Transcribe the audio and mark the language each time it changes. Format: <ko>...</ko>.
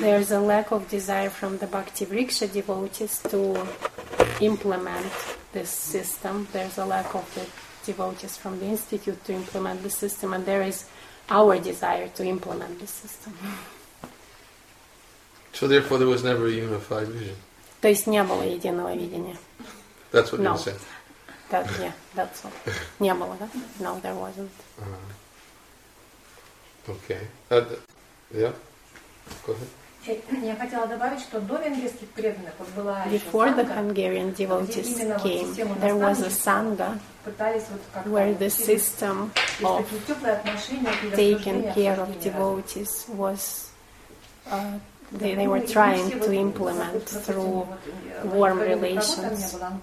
<en>There is a lack of desire from the Bhakti Vriksha devotees to implement this system. There is a lack of the devotees from the institute to implement the system, and there is our desire to implement this system. So therefore there was never a unified vision.</en> <ru>То есть не было единого видения.</ru> <en>That's what you said. That, yeah, that's what.</en> <ru>Не было, да?</ru> <en>No, there wasn't. Okay. Yeah? Go ahead.</en> <ru>Я хотела добавить, что до венгерских преданных вот была</ru> <en>Before the Hungarian devotees came, there was a sangha where the system of taking care of devotees was they were trying to implement through warm relations.</en>